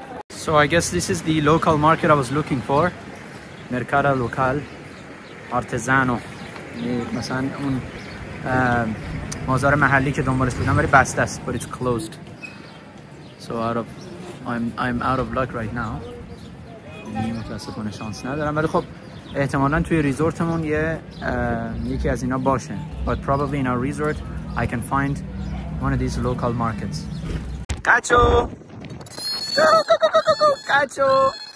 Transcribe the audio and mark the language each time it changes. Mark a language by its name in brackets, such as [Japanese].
[English] So I guess this is the local market I was looking for. [Spanish] Mercado local. Artesano. [Persian] مثلا اون مازار محلی که دنبالش بودم ولی بسته است. [English] But it's closed. So I'm out of luck right now. [Persian] متاسفانه شانس ندارم. ولی خب احتمالاً توی ریزورتمون یه یکی از اینا باشه. [English] But probably in our resort I can find one of these local markets. کاچو! کاچو!